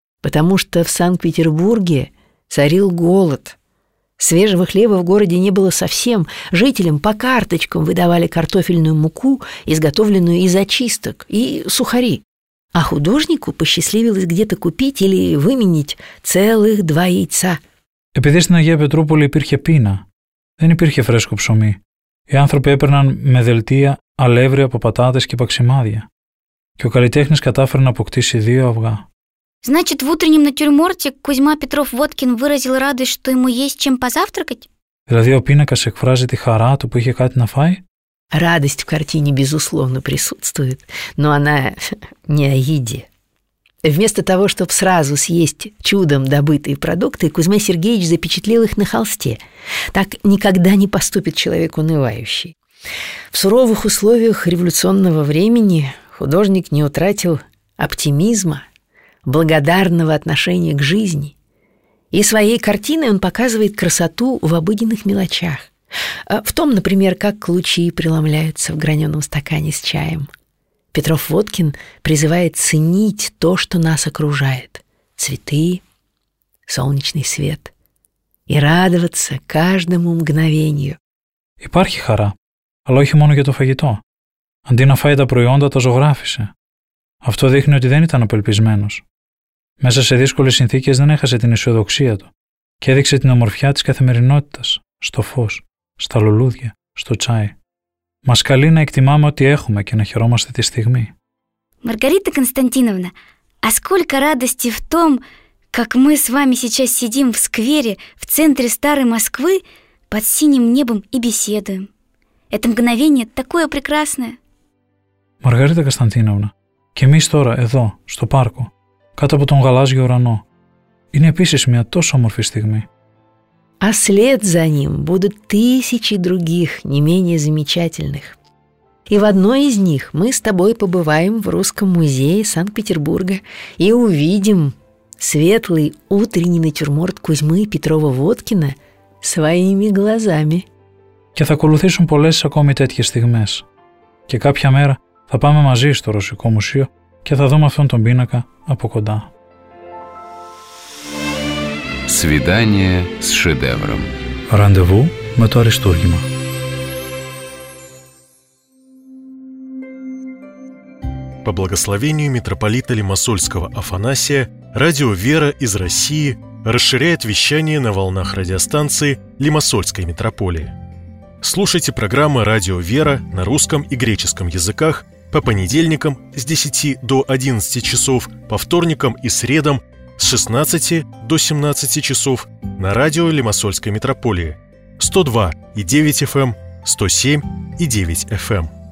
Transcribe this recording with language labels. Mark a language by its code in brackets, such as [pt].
[ru] Потому что в Санкт-Петербурге царил голод. Свежего хлеба в городе не было совсем. Жителям по карточкам выдавали картофельную муку, изготовленную из очисток, и сухари. А художнику посчастливилось где-то купить или выменить целых два яйца. [el] Επειδή στην Αγία Πετρούπολη υπήρχε πείνα, δεν υπήρχε φρέσκο ψωμί. Οι άνθρωποι έπαιρναν με δελτία αλεύρι από πατάτες και παξιμάδια. Και ο καλλιτέχνης κατάφερε να αποκτήσει δύο αυγά. [ru] Значит, в утреннем натюрморте Кузьма Петров-Водкин выразил радость, что ему есть чем позавтракать? [el] Δηλαδή, ο πίνακας εκφράζει τη χαρά του που είχε κάτι να φάει? [ru] Радость в картине, безусловно, присутствует, но она не о еде. Вместо того, чтобы сразу съесть чудом добытые продукты, Кузьма Сергеевич запечатлел их на холсте. Так никогда не поступит человек унывающий. В суровых условиях революционного времени художник не утратил оптимизма, благодарного отношения к жизни. И своей картиной он показывает красоту в обыденных мелочах. В том, например, как лучи преломляются в граненом стакане с чаем. Петров-Водкин призывает ценить то, что нас окружает. Цветы, солнечный свет. И радоваться каждому мгновению. [el] Υπάρχει хара, але όχι μόνο για το φαγητό. Αντί να φάει τα προϊόντα, το ζωγράφισε. Αυτό δείχνει ότι δεν ήταν απελπισμένος. Μέσα σε δύσκολες συνθήκες δεν έχασε την αισιοδοξία του και έδειξε την ομορφιά της καθημερινότητας στο φως. Στα λουλούδια, στο τσάι. Μας καλεί να εκτιμάμε ό,τι έχουμε και να χαιρόμαστε τη στιγμή. [ru] Маргарита Константиновна, а сколько радости в том, как мы с вами сейчас сидим в сквере в центре старой Москвы под синим небом и беседуем. Это мгновение такое прекрасное. [el] Маргарита Константиновна, και εμείς τώρα, εδώ, στο πάρκο, κάτω από τον γαλάζιο ουρανό, είναι επίσης μια τόσο όμορφη στιγμή. [ru] А след за ним будут тысячи других, не менее замечательных. И в одной из них мы с тобой побываем в Русском музее Санкт-Петербурга и увидим светлый утренний натюрморт Кузьмы Петрова-Водкина своими глазами. [el] και θα ακολουθήσουν πολλές ακόμη τέτοιες στιγμές. Και κάποια μέρα θα πάμε μαζί στο Ρωσικό Μουσείο και θα δούμε αυτόν τον πίνακα από κοντά. [ru] Свидание с шедевром. [el] Ραντεβού με το αριστούργημα. [ru] По благословению митрополита Лимассольского Афанасия, радио «Вера» из России расширяет вещание на волнах радиостанции Лимассольской митрополии. Слушайте программы «Радио «Вера» на русском и греческом языках по понедельникам с 10 до 11 часов, по вторникам и средам с 16 до 17 часов на радио Лимассольской митрополии 102,9 FM, 107,9 FM.